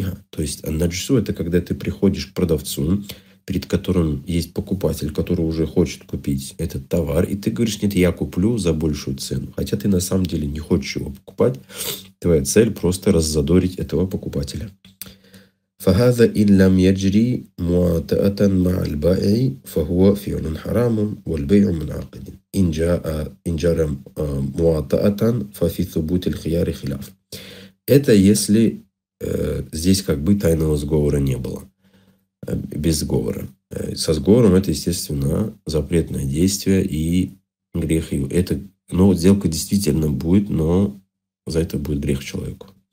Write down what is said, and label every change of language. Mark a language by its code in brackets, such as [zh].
[ru] То есть, аннаджсу – это когда ты приходишь к продавцу, перед которым есть покупатель, который уже хочет купить этот товар, и ты говоришь, нет, я куплю за большую цену. Хотя ты на самом деле не хочешь его покупать. Твоя цель – просто раззадорить этого покупателя. [ar] فهذا إن لم يجري مواتئة مع البائع فهو فعل حرام والبيع منعقد إن جرى مواتئة ففي ثبوت الخيار خلاف. [ru] Это если здесь как бы тайного сговора не было, без сговора. Со сговором это, естественно, запретное действие и грех. Это, но сделка действительно будет, но за это будет грех человеку.